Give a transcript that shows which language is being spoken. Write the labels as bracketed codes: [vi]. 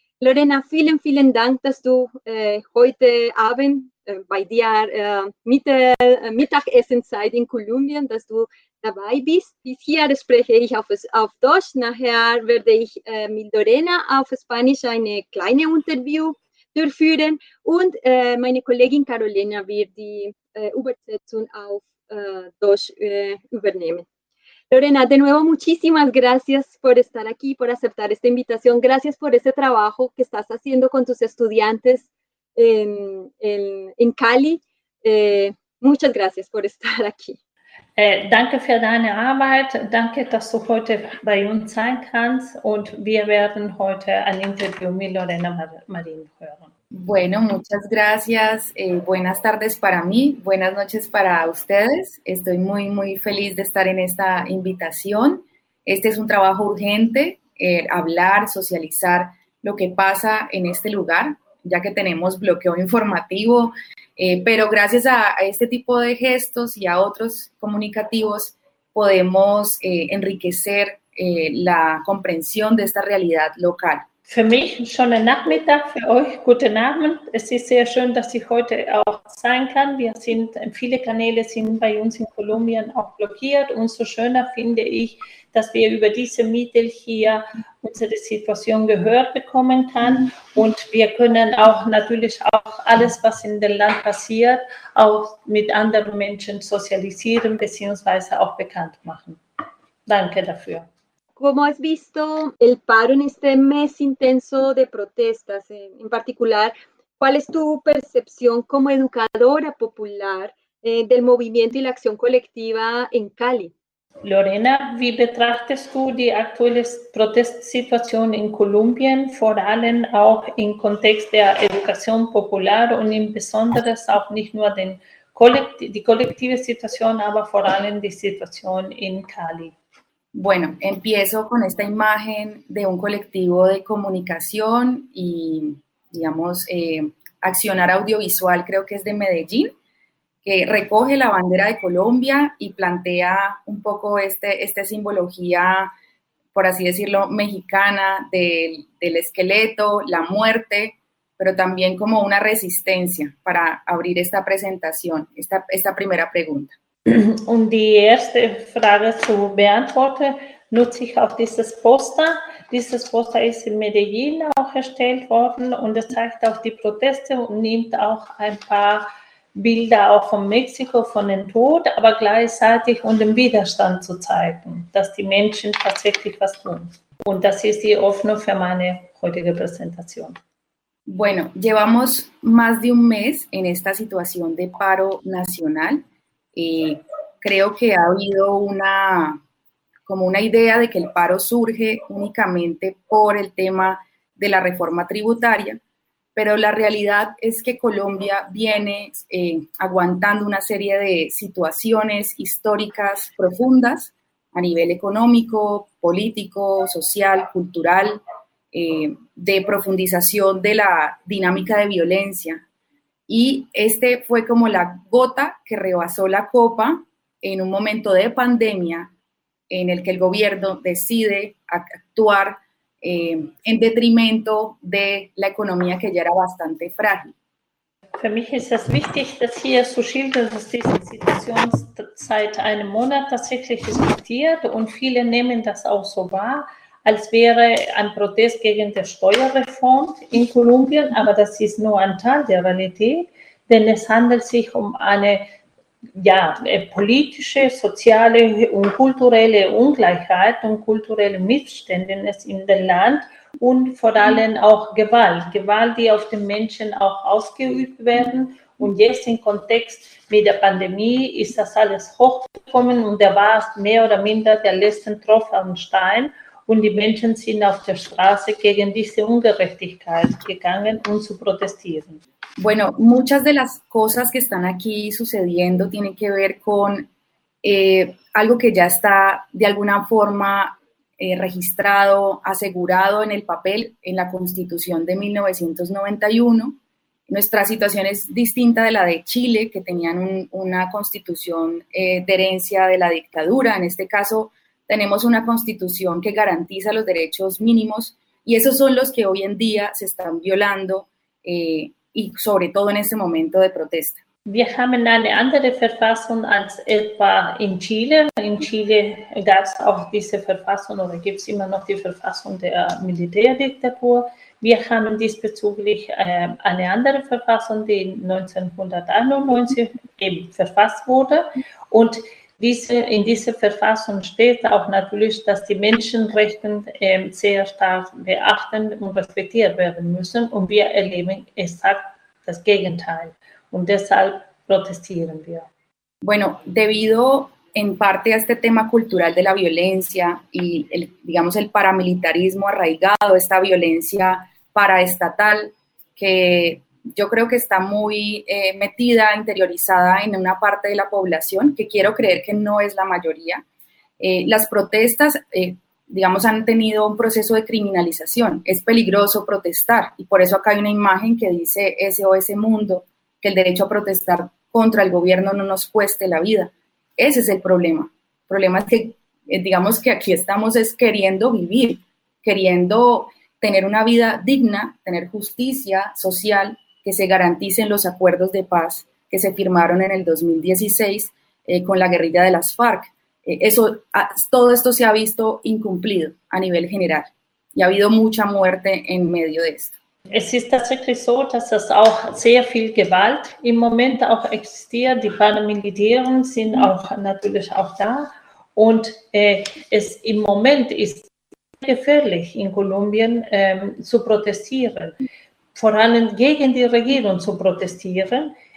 [de] Lorena, vielen, vielen Dank, dass du heute Abend bei dir Mittagessenzeit in Kolumbien, dass du dabei bist. Bis hier spreche ich auf Deutsch. Nachher werde ich mit Lorena auf Spanisch eine kleine Interview durchführen und meine Kollegin Carolina wird die Übersetzung auf Deutsch übernehmen. [es] Lorena, de nuevo, muchísimas gracias por estar aquí, por aceptar esta invitación. Gracias por ese trabajo que estás haciendo con tus estudiantes en Cali. Muchas gracias por estar aquí. [de] Danke für deine Arbeit. Danke, dass du heute bei uns sein kannst. Und wir werden heute ein Interview mit Lorena Marin hören. [es] Bueno, muchas gracias. Buenas tardes para mí. Buenas noches para ustedes. Estoy muy, muy feliz de estar en esta invitación. Este es un trabajo urgente, hablar, socializar lo que pasa en este lugar, ya que tenemos bloqueo informativo. Pero gracias a este tipo de gestos y a otros comunicativos podemos enriquecer la comprensión de esta realidad local. [de] Für mich schönen Nachmittag, für euch guten Abend. Es ist sehr schön, dass ich heute auch sein kann. Wir sind, viele Kanäle sind bei uns in Kolumbien auch blockiert. Umso schöner finde ich, dass wir über diese Mittel hier unsere Situation gehört bekommen kann. Und wir können auch natürlich auch alles, was in dem Land passiert, auch mit anderen Menschen sozialisieren bzw. auch bekannt machen. Danke dafür. [es] Como has visto el paro en este mes intenso de protestas, en particular, ¿cuál es tu percepción como educadora popular del movimiento y la acción colectiva en Cali? [de] Lorena, wie betrachtest du die aktuelle Protestsituation in Kolumbien, vor allem auch im Kontext der Education Popular und im Besonderen auch nicht nur die kollektive Situation, aber vor allem die Situation in Cali? [es] Bueno, empiezo con esta imagen de un colectivo de comunicación y, digamos, Accionar Audiovisual, creo que es de Medellín, que recoge la bandera de Colombia y plantea un poco esta simbología, por así decirlo, mexicana del esqueleto, la muerte, pero también como una resistencia para abrir esta presentación, esta primera pregunta. [de] Um die erste Frage zu beantworten, nutze ich auch dieses Poster. Dieses Poster ist in Medellin auch erstellt worden und es zeigt auch die Proteste und nimmt auch ein paar Bilder auch von Mexiko, von dem Tod, aber gleichzeitig um den Widerstand zu zeigen, dass die Menschen tatsächlich was tun. Und das ist die Hoffnung für meine heutige Präsentation. [es] Bueno, llevamos más de un mes en esta situación de paro nacional. Creo que ha habido una idea de que el paro surge únicamente por el tema de la reforma tributaria, pero la realidad es que Colombia viene aguantando una serie de situaciones históricas profundas a nivel económico, político, social, cultural, de profundización de la dinámica de violencia. Y este fue como la gota que rebasó la copa en un momento de pandemia en el que el gobierno decide actuar en detrimento de la economía que ya era bastante frágil. [de] Für mich ist es wichtig, das hier zu schildern, dass diese Situation seit einem Monat tatsächlich diskutiert und viele nehmen das auch so wahr, als wäre ein Protest gegen die Steuerreform in Kolumbien, aber das ist nur ein Teil der Realität, denn es handelt sich um eine politische, soziale und kulturelle Ungleichheit und kulturelle Missstände in dem Land und vor allem auch Gewalt, die auf den Menschen auch ausgeübt werden. Und jetzt im Kontext mit der Pandemie ist das alles hochgekommen und da war es mehr oder minder der letzte Tropfen am Stein. Und die Menschen sind auf der Straße gegen diese Ungerechtigkeit gegangen, um zu protestieren. [es] Bueno, muchas de las cosas que están aquí sucediendo tienen que ver con algo que ya está de alguna forma registrado, asegurado en el papel, en la Constitución de 1991. Nuestra situación es distinta de la de Chile, que tenían una constitución de herencia de la dictadura, en este caso tenemos una constitución que garantiza los derechos mínimos y esos son los que hoy en día se están violando y sobre todo en este momento de protesta. [de] Wir haben eine andere Verfassung als etwa in Chile. In Chile gab es auch diese Verfassung oder gibt es immer noch die Verfassung der Militärdiktatur. Wir haben diesbezüglich eine andere Verfassung, die 1991 eben verfasst wurde und in dieser Verfassung steht auch natürlich, dass die Menschenrechte sehr stark beachtet und respektiert werden müssen. Und wir erleben exakt das Gegenteil. Und deshalb protestieren wir. [es] Bueno, debido en parte a este tema cultural de la violencia y el paramilitarismo arraigado, esta violencia paraestatal, que yo creo que está muy metida, interiorizada en una parte de la población, que quiero creer que no es la mayoría. Las protestas, han tenido un proceso de criminalización. Es peligroso protestar y por eso acá hay una imagen que dice SOS Mundo, que el derecho a protestar contra el gobierno no nos cueste la vida. Ese es el problema. El problema es que, que aquí estamos es queriendo vivir, queriendo tener una vida digna, tener justicia social, que se garanticen los acuerdos de paz que se firmaron en el 2016 con la guerrilla de las FARC. Todo esto se ha visto incumplido a nivel general y ha habido mucha muerte en medio de esto. [de] Es ist tatsächlich so, dass es auch sehr viel Gewalt im Moment auch existiert. Die Paramilitären sind auch natürlich auch da und es im Moment ist gefährlich in Kolumbien zu protestieren. Vor allem gegen die Regierung zu protestieren